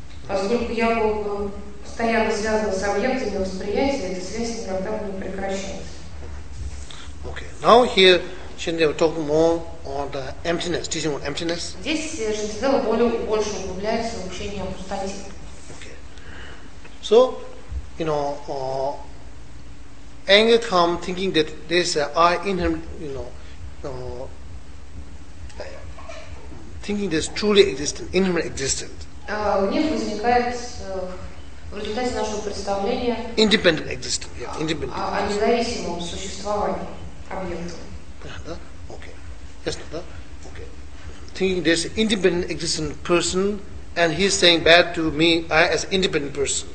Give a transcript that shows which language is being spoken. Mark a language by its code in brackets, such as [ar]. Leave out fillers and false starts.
[ru] Поскольку я был постоянно связан с объектами восприятия, эта связь никогда бы не прекращалась. [en] Okay. Now here Шриндева talk more on the emptiness, teaching on emptiness. [ru] Здесь Шриндева больше углубляется в учение о пустоте. [en] Okay. So, you know, anger come thinking that there's I in him, you know, thinking there's truly existent, inherent existent. [ru] Гнев возникает в результате нашего представления. [en] Independent existent, yeah, independent. [ru] О независимом существовании объекта. [en] Да, okay. Yes, да, okay. Thinking there's independent existent person, and he's saying bad to me, I as independent person.